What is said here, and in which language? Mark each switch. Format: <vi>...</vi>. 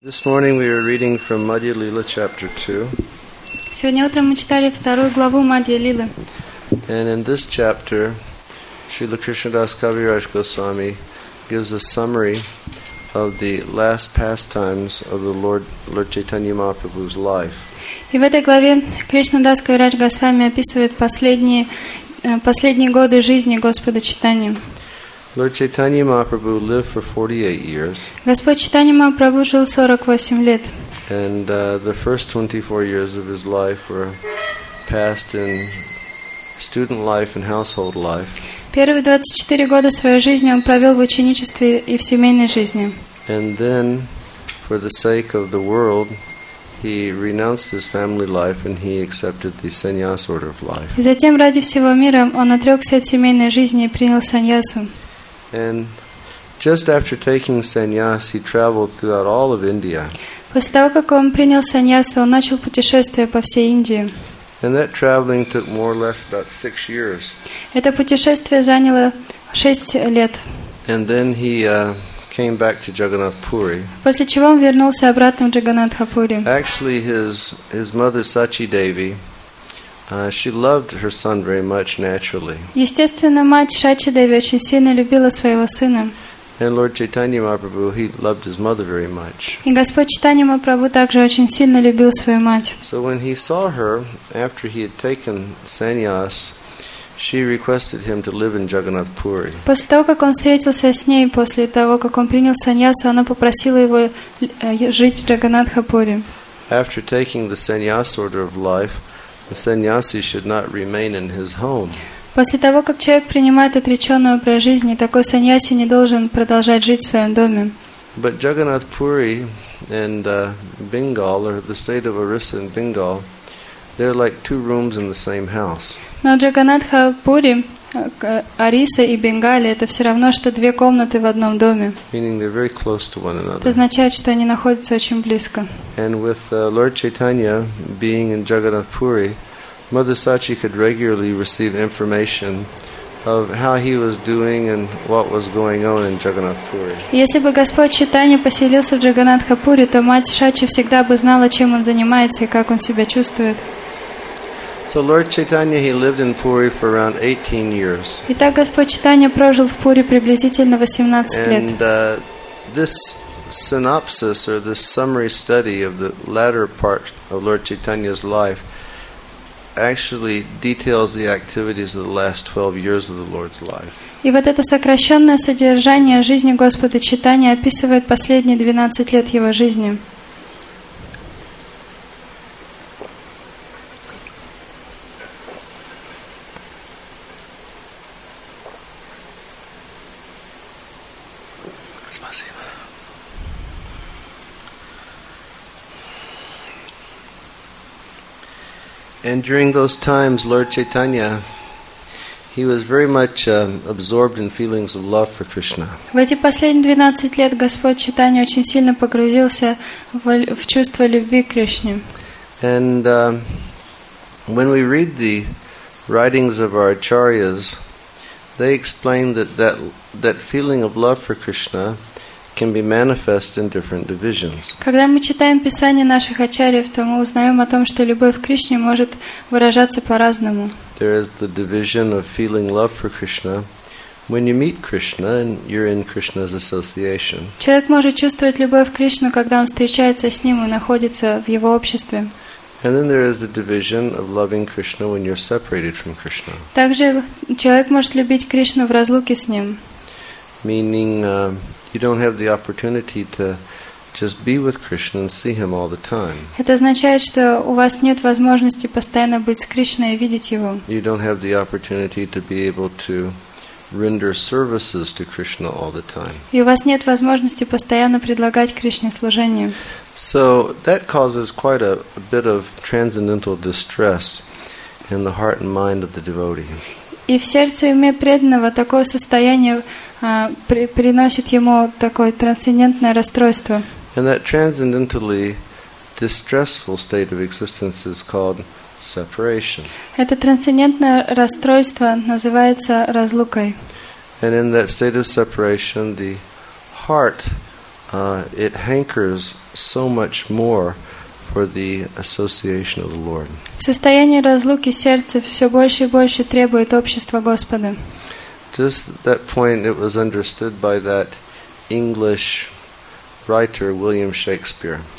<en>This morning we are reading from Madhya Lila chapter 2.</en> <ru>Сегодня утром мы читали вторую главу Мадья Лилы.</ru> <en>And in this chapter, Srila Krishnadas Kaviraj Goswami gives a summary of the last pastimes of the Lord Chaitanya Mahaprabhu's life.</en> <ru>И в этой главе Кришнадас Кавирадж Госвами описывает последние годы жизни Господа Чайтаньи.</ru> <en>Lord Chaitanya Mahaprabhu lived for 48 years.</en> <ru>Господь Чайтанья Махапрабху жил 48 лет.</ru> <en>And the first 24 years of his life were passed in student life and household life.</en> <ru>Первые 24 года своей жизни он провел в ученичестве и в семейной жизни.</ru> <en>And then, for the sake of the world, he renounced his family life and he accepted the sannyas order of life.</en> <ru>Затем ради всего мира он отрекся от семейной жизни и принял саньясу.</ru> <en>And just after taking sannyas, he traveled throughout all of India.</en> <ru>После того, как он принял саньясу, он начал путешествие по всей Индии.</ru> <en>And that traveling took more or less about 6 years.</en> <ru>Это путешествие заняло 6 лет.</ru> <en>And then he came back to Jagannath Puri.</en> <ru>После чего он вернулся обратно в Джаганнатхапури.</ru> <en>Actually, his mother Sachi Devi. She loved her son very much naturally.</en> <ru>Естественно, мать Шачи Деви очень сильно любила своего сына.</ru> <en>And Lord Chaitanya Mahaprabhu, he loved his mother very much.</en> <ru>И Господь Чайтанья Махапрабху также очень сильно любил свою мать.</ru> <en>So when he saw her after he had taken sannyas, she requested him to live in Jagannath Puri.</en> <ru>После того, как он встретился с ней, после того, как он принял саньясу, она попросила его жить в Джаганнатхапури.</ru> <en>After taking the sannyas order of life, the sannyasi should not remain in his home.</en> <ru>После того, как человек принимает отреченный образ жизни, такой саньяси не должен продолжать жить в своем доме.</ru> <en>But Jagannath Puri and Bengal, or the state of Orissa and Bengal, they're like two rooms in the same house.</en> <ru>Но Джаганнатхапури, Ориса и Бенгали, это все равно, что две комнаты в одном доме.</ru> <en>Meaning they're very close to one another.</en> <ru>Это означает, что они находятся очень близко.</ru> <en>And with Lord Chaitanya being in Jagannath Puri, Mother Sachi could regularly receive information of how he was doing and what was going on in Jagannath Puri.</en> <ru>Если бы Господь Чайтанья поселился в Джаганнатхапури, то мать Сачи всегда бы знала, чем он занимается и как он себя чувствует.</ru> <en>So Lord Chaitanya, he lived in Puri for around 18 years.</en> <ru>Итак, Господь Чайтанья прожил в Пури приблизительно 18 лет.</ru> <en>And this synopsis or this summary study of the latter part of Lord Chaitanya's life actually details the activities of the last 12 years of the Lord's life.</en> <ru>И вот это сокращенное содержание жизни Господа Чайтанья описывает последние 12 лет его жизни.</ru> <en>And during those times, Lord Chaitanya, he was very much absorbed in feelings of love for Krishna.</en> <ru>В эти последние 12 лет Господь Чайтанья очень сильно погрузился в чувство любви к Кришне.</ru> <en>And when we read the writings of our acharyas, they explain that feeling of love for Krishna can be manifest in different divisions.</en> <ru>Когда мы читаем писание наших ачарьев, то мы узнаем о том, что любовь к Кришне может выражаться по-разному.</ru> <en>There is the division of feeling love for Krishna when you meet Krishna and you're in Krishna's association.</en> <ru>Человек может чувствовать любовь к Кришне, когда он встречается с ним и находится в его обществе.</ru> <en>And then there is the division of loving Krishna when you're separated from Krishna.</en> <ru>Также человек может любить Кришну в разлуке с ним.</ru> <en>Meaning you don't have the opportunity to just be with Krishna and see him all the time.</en> <ru>Это означает, что у вас нет возможности постоянно быть с Кришной и видеть его.</ru> <en>You don't have the opportunity to be able to render services to Krishna all the time.</en> <ru>И у вас нет возможности постоянно предлагать Кришне служение.</ru> <en>So that causes quite a bit of transcendental distress in the heart and mind of the devotee.</en> <ru>И в сердце и уме преданного такое состояние приносит ему такое трансцендентное расстройство.</ru> <en>And that transcendentally distressful state of existence is called separation.</en> <ru>Это трансцендентное расстройство называется разлукой.</ru> <en>And in that state of separation, the heart it hankers so much more for the association of the Lord.</en> <ru>Состояние разлуки сердца все больше и больше требует общества Господа.</ru> <en>Just that point, it was understood by that English writer William Shakespeare.</en>